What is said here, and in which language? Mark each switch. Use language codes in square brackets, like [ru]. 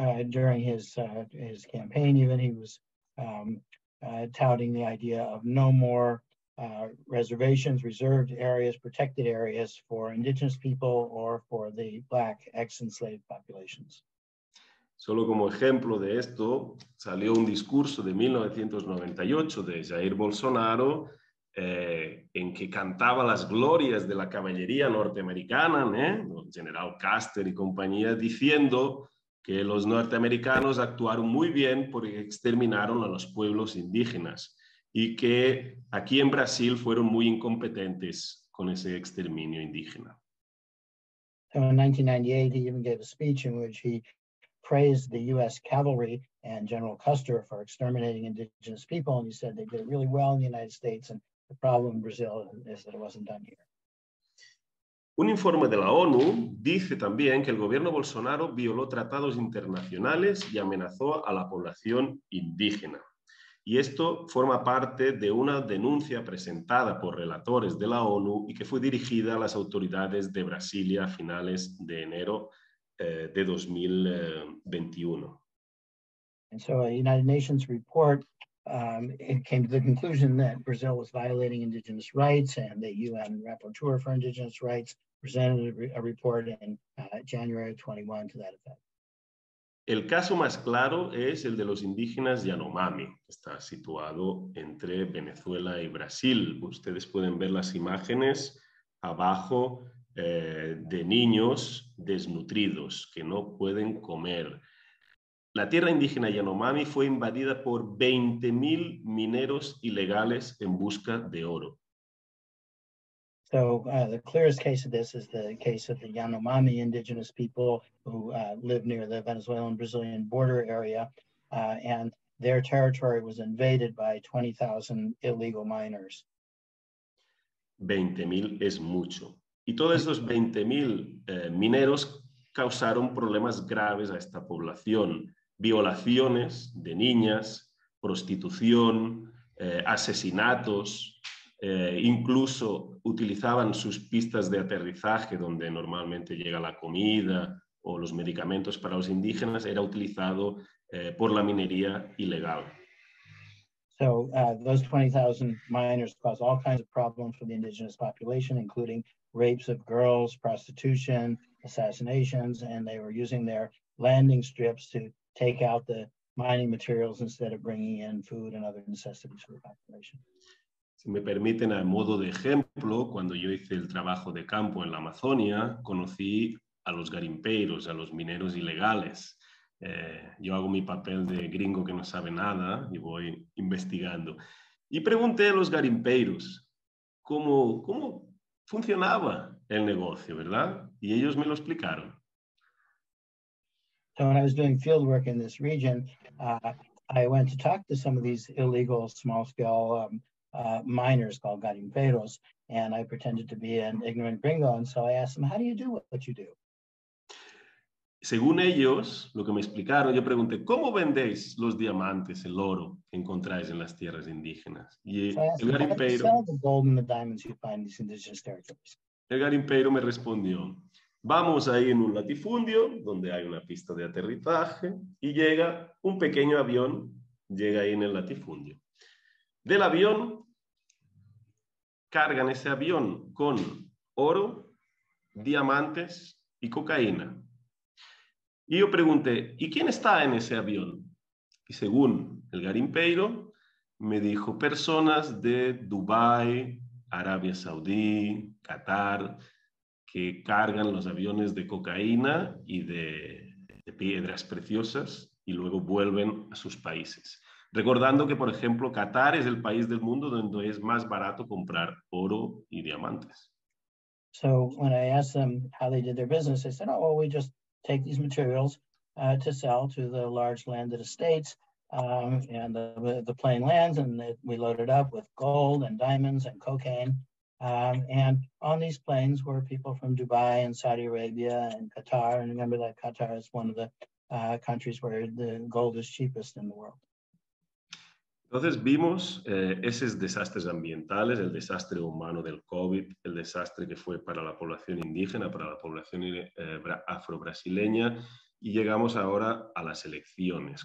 [en] During his campaign, even he was touting the idea of no more reservations, reserved areas, protected areas for indigenous people or for the black ex-enslaved populations. [es] Solo como ejemplo de esto, salió un discurso de 1998 de Jair Bolsonaro en que cantaba las glorias de la caballería norteamericana, General Custer y compañía, diciendo que los norteamericanos actuaron muy bien porque exterminaron a los pueblos indígenas. y que aquí en Brasil fueron muy incompetentes con ese exterminio indígena. [en] So in 1998, he even gave a speech in which he praised the U.S. cavalry and General Custer for exterminating indigenous people, and he said they did it really well in the United States, and the problem in Brazil is that it wasn't done here. [es] Un informe de la ONU dice también que el gobierno Bolsonaro violó tratados internacionales y amenazó a la población indígena. Y esto forma parte de una denuncia presentada por relatores de la ONU y que fue dirigida a las autoridades de Brasilia a finales de enero de 2021. [en] And so a United Nations report it came to the conclusion that Brazil was violating indigenous rights, and the UN Rapporteur for Indigenous Rights presented a report in January 21 to that effect. [es] El caso más claro es el de los indígenas Yanomami, que está situado entre Venezuela y Brasil. Ustedes pueden ver las imágenes abajo de niños desnutridos que no pueden comer. La tierra indígena Yanomami fue invadida por 20,000 mineros ilegales en busca de oro. [en] So the clearest case of this is the case of the Yanomami indigenous people who live near the Venezuelan-Brazilian border area, and their territory was invaded by 20,000 illegal miners. [es] 20,000 es mucho. Y todos esos 20,000 mineros causaron problemas graves a esta población. Violaciones de niñas, prostitución, asesinatos, incluso utilizaban sus pistas de aterrizaje donde normalmente llega la comida o los medicamentos para los indígenas, era utilizado por la minería ilegal. [en] So those 20,000 miners caused all kinds of problems for the indigenous population, including rapes of girls, prostitution, assassinations, and they were using their landing strips to take out the mining materials instead of bringing in food and other necessities for the population. [es] Si me permiten, a modo de ejemplo, cuando yo hice el trabajo de campo en la Amazonia, conocí a los garimpeiros, a los mineros ilegales. Yo hago mi papel de gringo que no sabe nada y voy investigando. Y pregunté a los garimpeiros cómo funcionaba el negocio, ¿verdad? Y ellos me lo explicaron. [en] So when I was doing field work in this region, I went to talk to some of these illegal small-scale miners called garimpeiros, and I pretended to be an ignorant gringo, and so I asked them, how do you do what you do? [es] Según ellos, lo que me explicaron, yo pregunté, ¿cómo vendéis los diamantes, el oro que encontráis en las tierras indígenas? [en] Y so I asked garimpeiro, how do you sell the gold and the diamonds you find in these indigenous territories? [es] El garimpeiro me respondió, vamos ahí en un latifundio donde hay una pista de aterrizaje y llega un pequeño avión, llega ahí en el latifundio. Del avión, cargan ese avión con oro, diamantes y cocaína. Y yo pregunté, ¿y quién está en ese avión? Y según el garimpeiro, me dijo, personas de Dubái, Arabia Saudí, Qatar, que cargan los aviones de cocaína y de piedras preciosas y luego vuelven a sus países. Recordando que, por ejemplo, Qatar es el país del mundo donde es más barato comprar oro y diamantes. [en] So when I asked them how they did their business, they said, oh, well, we just take these materials to sell to the large landed estates and the plain lands, and we load it up with gold and diamonds and cocaine. And on these planes were people from Dubai and Saudi Arabia and Qatar. And remember that Qatar is one of the countries where the gold is cheapest in the world. [es] Entonces vimos esos desastres ambientales, el desastre humano del COVID, el desastre que fue para la población indígena, para la población afro-brasileña, y llegamos ahora a las elecciones.